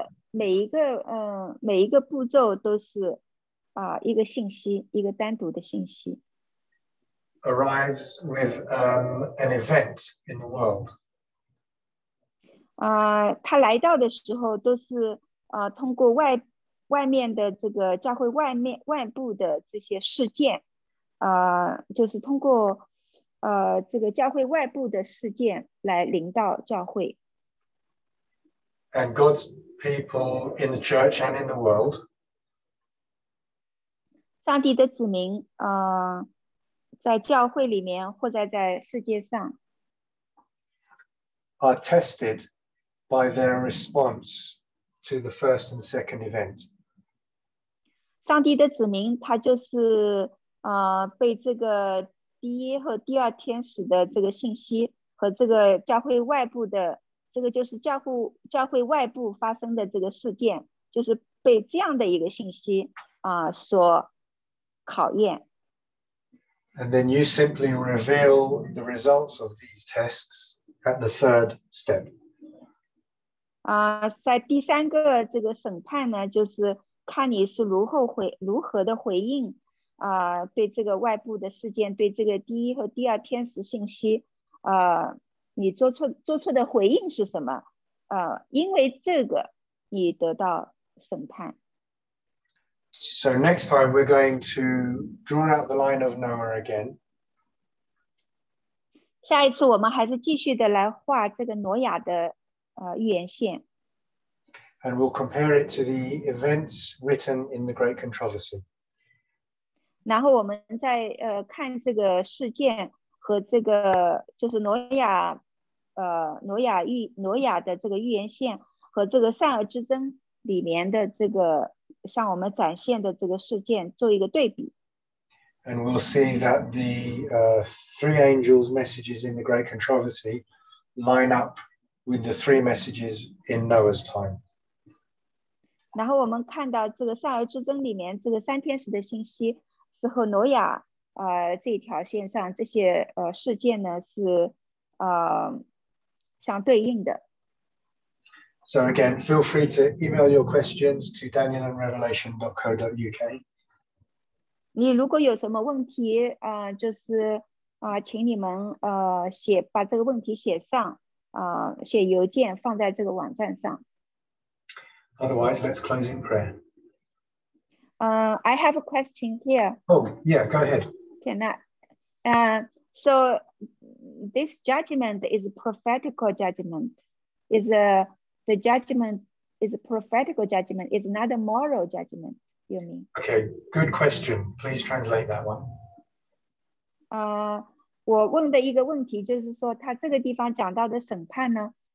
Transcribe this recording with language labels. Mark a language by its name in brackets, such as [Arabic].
[Chinese] 每一个步骤都是一个信息，一个单独的信息。 [English] Arrives with an event in the world. [Chinese] 它来到的时候都是通过外面的这个教会外部的这些事件，就是通过。这个教会外部的事件来领导教会。 [English] And God's people in the church and in the world. [Chinese] 上帝的子民，在教会里面或者在世界上。 [English] Are tested by their response to the first and second event. [Chinese] 上帝的子民，他就是被这个。第一和第二天使的这个信息和这个教会外部的这个就是教会外部发生的这个事件就是被这样的一个信息所考验。 [English] And then you simply reveal the results of these tests at the third step. [Chinese] 在第三个这个审判呢就是看你是如何的回应。对这个外部的事件，对这个第一和第二天使信息，你做错的回应是什么？因为这个你得到审判。 [English] So next time we're going to draw out the line of Noah again. [Chinese] 下一次我们还是继续的来画这个挪亚的预言线。 [English] And we'll compare it to the events written in the Great Controversy. [Chinese] 然后我们再看这个事件和这个就是挪亚的这个预言线和这个善恶之争里面的这个向我们展现的这个事件做一个对比。 [English] And we'll see that the three angels' messages in the Great Controversy line up with the three messages in Noah's time. [Chinese] 然后我们看到这个善恶之争里面这个三天使的信息。是和挪亚这条线上这些事件呢是相对应的。 [English] So again, feel free to email your questions to danielandrevelation.co.uk. [Chinese] 你如果有什么问题就是请你们把这个问题写上写邮件放在这个网站上。 [English] Otherwise, let's close in prayer. I have a question here. Oh, yeah, go ahead. Can I So this judgment is a prophetical judgment. Is the judgment is a prophetical judgment, is not a moral judgment, you mean? Okay, good question. Please translate that one. [Chinese] 我问的一个问题就是说，他这个地方讲到的审判呢？